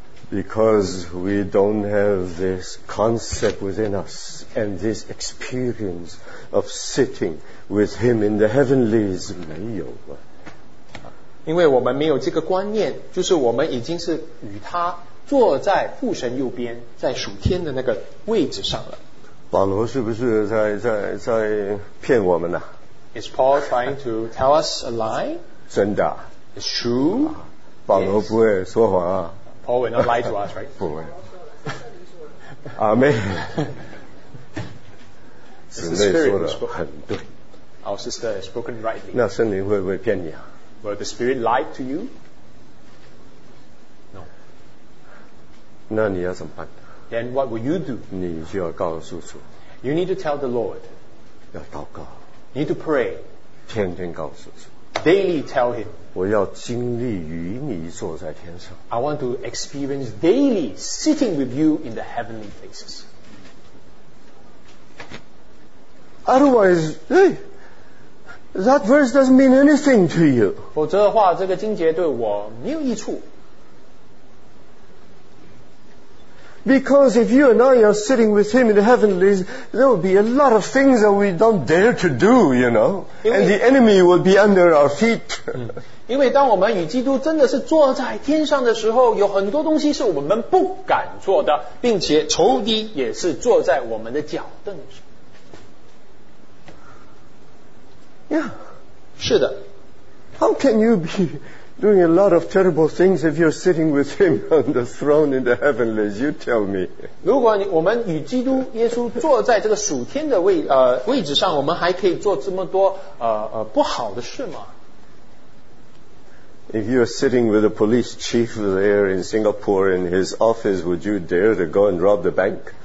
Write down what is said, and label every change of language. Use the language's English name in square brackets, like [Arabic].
[English] Because we don't have this concept within us and this experience of sitting with him in the heavenlies, [Chinese] 没有啊。因为我们没有这个观念，就是我们已经是与他。坐在父神右边，在属天的那个位置上了。保罗是不是在骗我们呢、 [English] ？Is Paul trying to tell us a lie? [Chinese] 真的 [English] ？It's true. [Chinese] 保罗不会说谎啊。 [English] Paul will not lie to us, right? [Chinese] 不会。阿门。姊妹说的很对。 [English] Our sister has spoken rightly. [Chinese] 那圣灵会不会骗你啊？ [English] Will the spirit lie to you? No. [Chinese] 那你要怎么办？ [English] Then what will you do? [Chinese] 你就要告诉主。 [English] You need to tell the Lord. [Chinese] 要祷告。 [English] Need to pray. [Chinese] 天天告诉主。 [English] Daily tell him. [Chinese] 我要经历与你坐在天上。 [English] I want to experience daily sitting with you in the heavenly places. Otherwise, hey, that verse doesn't mean anything to you. [Chinese] 否则的话，这个经节对我没有益处。 [English] Because if you and I are sitting with him in the heavenlies, there will be a lot of things that we don't dare to do, you know. And the enemy will be under our feet. [Chinese] 因为当我们与基督真的是坐在天上的时候，有很多东西是我们不敢做的，并且仇敌也是坐在我们的脚凳上。 [English] Yeah. [Chinese] 是的。 [English] How can you be... doing a lot of terrible things if you're sitting with him on the throne in the heavenlies, you tell me. [Chinese] 如果我们与基督耶稣坐在这个属天的 位置上，我们还可以做这么多不好的事吗？ [English] If you're sitting with the police chief there in Singapore in his office, would you dare to go and rob the bank?